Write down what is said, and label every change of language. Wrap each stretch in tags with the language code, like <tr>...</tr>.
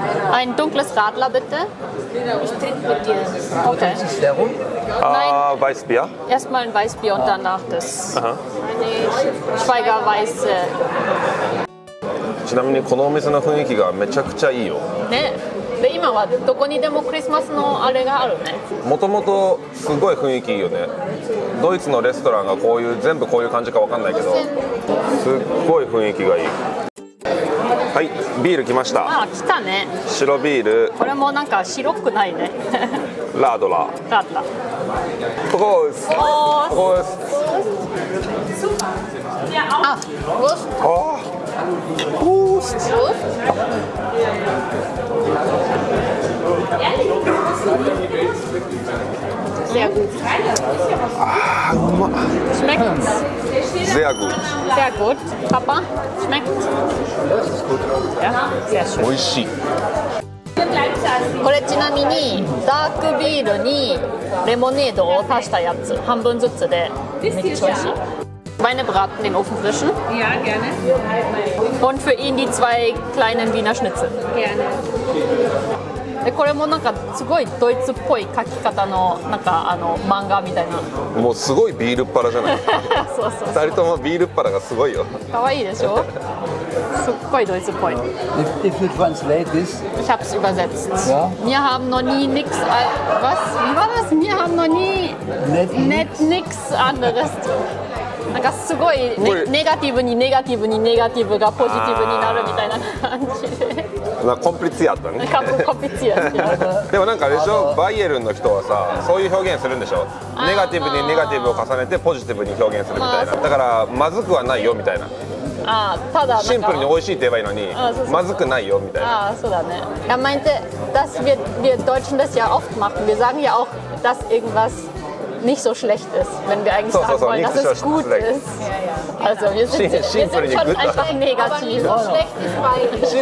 <de>Ein dunkles Radler bitte. Ich trinke mit dir. Okay. Nein, Weißbier. Erstmal ein Weißbier und danach das. Eine Schweigerweiße.</de> <ja>ちなみにこのお店の雰囲気がめちゃくちゃいいよ。ね。で今はどこにでもクリスマスのあれがあるね。もともとすごい雰囲気いいよね。ドイツのレストランがこういう全部こういう感じか分かんないけど、すっごい雰囲気がいい。はい、ビール来ました。あ、来たね。白ビール。これもなんか白くないね。ラードラー。 ラードラー。 プコース。プコース。あ、プコース。あ。プコース。プコース。</ja> <de>Sehr gut. Ah, schmeckt. Sehr gut. Sehr gut. Papa, schmeckt. Das ist gut. Ja, sehr schön. Delicious.</de> <ja>これちなみにダークビールにレモネードを足したやつ、半分ずつでめっちゃ美味しい。</ja> <de>Meine Braten den Ofen frischen? Ja, gerne. Und für ihn die zwei kleinen Wiener Schnitzel? Gerne.</de> <ja>でこれもなんかすごいドイツっぽい書き方のなんかあの漫画みたいな。もうすごいビールっぱらじゃない。そうそうそう、 2人ともビールっぱらがすごいよ。かわいいでしょ。すっごいドイツっぽい。</ja> <en>If you translate this.</en> <de>Ich hab's übersetzt.</de> <en>Yeah?</en> <de>Wir haben noch nie nix. Was? Wie war das? Wir haben noch nie net nix anderes.</de> <ja>なんかすごい ネガティブにネガティブにネガティブがポジティブになるみたいな感じで。なコンプリツィアだね。コンプリツィア。でもなんかでしょ、バイエルンの人はさ、そういう表現するんでしょ。ネガティブにネガティブを重ねてポジティブに表現するみたいな。だからまずくはないよみたいな。あ、ただシンプルに美味しいって言えばいいのに、まずくないよみたいな。あ、そうだね。</ja> <de>Er meinte, dass wir Deutschen das ja oft machen. Wir sagen ja auch, dass irgendwas nicht so schlecht ist, wenn wir eigentlich sagen wollen, dass es gut ist. Also wir sind schon einfach negativ. Aber nicht so schlecht ist</de>